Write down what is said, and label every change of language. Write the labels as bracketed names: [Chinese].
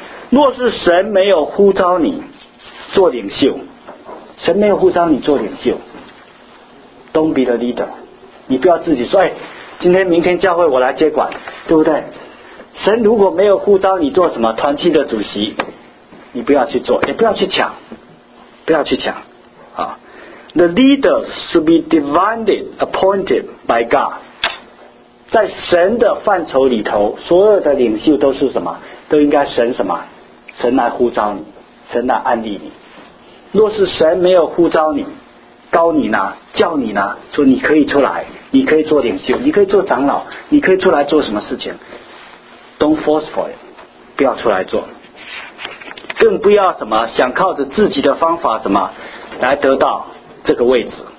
[Chinese] 若是神没有呼召你做领袖，神没有呼召你做领袖， [English] Don't be the leader。 [Chinese] 你不要自己说、哎、今天明天教会我来接管，对不对？神如果没有呼召你做什么团契的主席，你不要去做，也不要去抢，不要去抢啊。 [English] The leader should be divinely appointed by God. [Chinese] 在神的范畴里头，所有的领袖都是什么？都应该神什么？神来呼召你，神来安立你。若是神没有呼召你，高你呢？叫你呢？说你可以出来，你可以做领袖，你可以做长老，你可以出来做什么事情 ？ [English] Don't force for it， [Chinese] 不要出来做，更不要什么想靠着自己的方法什么来得到这个位置。